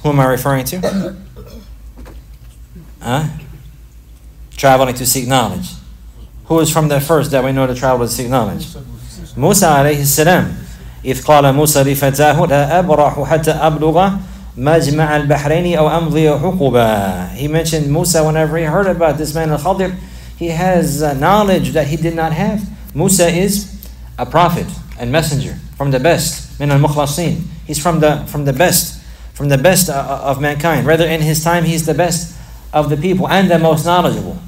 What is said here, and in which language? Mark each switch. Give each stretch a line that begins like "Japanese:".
English: Who am I referring to? Traveling to seek knowledge. Who is from the first that we know to travel to seek knowledge? Musa alayhi salam.
Arabic: إِذْ قَالَ مُوسَى لِفَتَاهُ لَا أَبْرَحُ حَتَّى أَبْلُغَ مَجْمَعَ الْبَحْرَيْنِ أَوْ أَمْضِيَ حُقُبًا.
English: He mentioned Musa, whenever he heard about this man al-Khadir, he has knowledge that he did not have. Musa is a prophet and messenger from the best,
Arabic: من المخلصين.
English: He's from the best of mankind. Rather, in his time, he's the best of the people and the most knowledgeable.